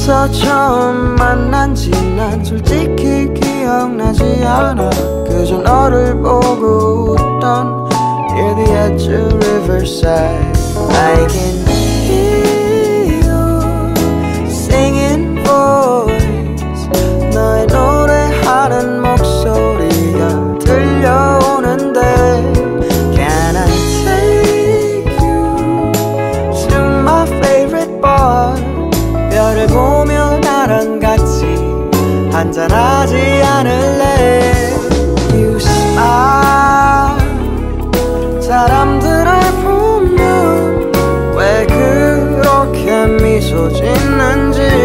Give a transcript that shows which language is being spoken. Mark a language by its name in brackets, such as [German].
[Korean] 어디서 처음 만난지 난 솔직히 기억나지 않아. 그저 너를 보고 웃던 [English] near the edge of Riverside. I can hear you singing voice. [Korean] 너의 노래하는 목소리가 들려오는데. [English] Can I take you to my favorite bar? [Korean] 별을 보며 나랑 같이 한잔하지 않을래. [English] You smile. [Korean] 사람들을 보면 왜 그렇게 미소 짓는지.